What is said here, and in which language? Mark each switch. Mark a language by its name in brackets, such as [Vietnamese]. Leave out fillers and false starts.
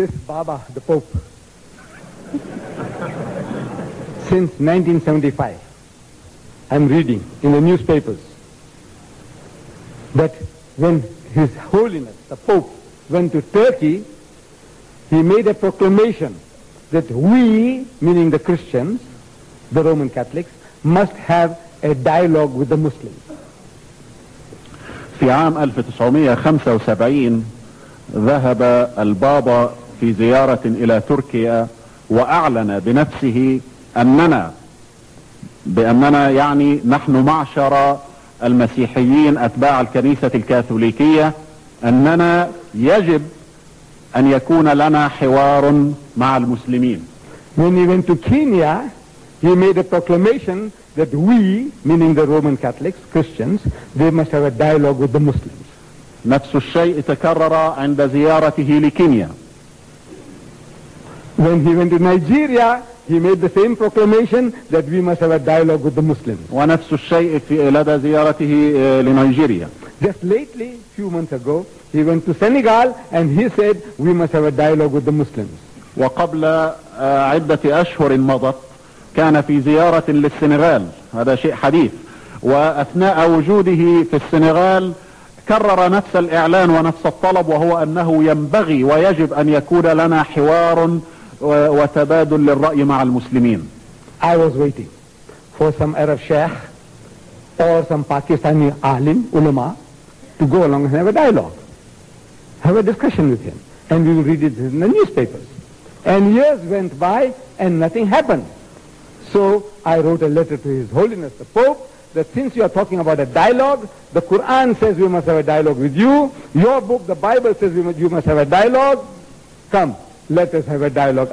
[English] This Baba, the Pope, since 1975, I'm reading in the newspapers that when His Holiness, the Pope, went to Turkey, he made a proclamation that we, meaning the Christians, the Roman Catholics, must have a dialogue with the Muslims. [Arabic] في عام 1975 ذهب البابا في زيارة إلى تركيا وأعلن بنفسه بأننا يعني نحن معشر المسيحيين أتباع الكنيسة الكاثوليكية أننا يجب أن يكون لنا حوار مع المسلمين. [English] When he went to Kenya, he made a proclamation that we, meaning the Roman Catholics, Christians, they must have a dialogue with the Muslims. [Arabic] نفس الشيء تكرر عند زيارته لكينيا. [English] When he went to Nigeria, he made the same proclamation that we must have a dialogue with the Muslims. [Arabic] ونفس الشيء في لدى زيارته لنيجيريا. [English] Just lately, a few months ago, he went to Senegal and he said we must have a dialogue with the Muslims. [Arabic] وقبل عدة أشهر مضت كان في زيارة للسنغال، هذا شيء حديث، وأثناء وجوده في السنغال كرر نفس الإعلان ونفس الطلب، وهو أنه ينبغي ويجب أن يكون لنا حوار وتبادل للرأي مع المسلمين. [English] I was waiting for some Arab sheikh or some Pakistani alim, ulama, to go along and have a dialogue, have a discussion with him, and we will read it in the newspapers. And years went by and nothing happened. So I wrote a letter to His Holiness the Pope that since you are talking about a dialogue, the Quran says we must have a dialogue with you, your book, the Bible, says you must have a dialogue, come, let us have a dialogue.